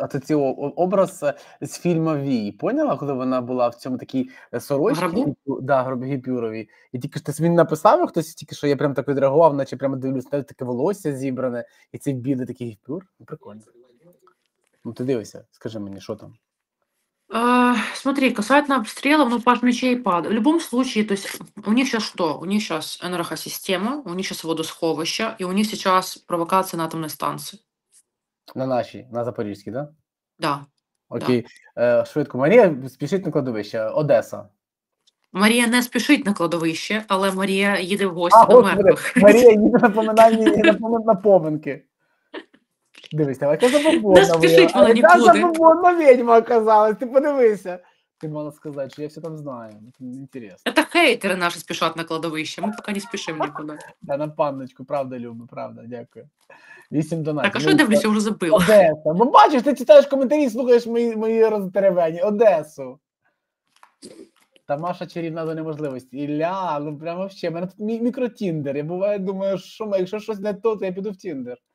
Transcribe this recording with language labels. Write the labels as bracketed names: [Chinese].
[Ukrainian] А це цей образ з фільму «Вій». Поняла, коли вона була в цьому такій сорочці? Гробі? Да, Гіпюрові. І тільки що ти мені написав, хтось тільки що я прям так відреагував, наче прямо дивлюся, навіть таке волосся зібране, і цей білий такий Гіпюр. Ну, прикольно. Ну, ти дивися, скажи мені, що там? [Russian] Смотри, касательно обстрелов, ну, паш мечей падает. В любом случае, то есть, у них сейчас что? У них сейчас энергосистема, у них сейчас водосховище, и у них сейчас провокация на атомной станции. [Ukrainian] На нашій, на Запорізькій, так? [Russian] Да? Да. Окей. Да. [Ukrainian] Швидко, Марія, спішить на кладовище. Одеса. Марія не спішить на кладовище, але Марія їде в гості до мертвих. Марія їде на поминальні на поминки. Дивись, яка забобонна. Не спішить вона нікуди. Яка забобонна відьма оказалась, ти подивися. Ти мала сказати, що я все там знаю. Інтересно. Це хейтери наші спішать на кладовище. Ми поки не спішимо нікуди. Да, на панночку, правда, Люба, правда, дякую. 8 до 9. Так, а що я дивлюся, вже забила. Одеса. Ну, бачиш, ти читаєш коментарі, слухаєш мої роздеревені. Одесу. Та Маша чарівна до неможливості. Ілля, ну прямо ще. У мене тут мікротіндер. Я буває, думаю, що ми, якщо щось не то, то я піду в тіндер.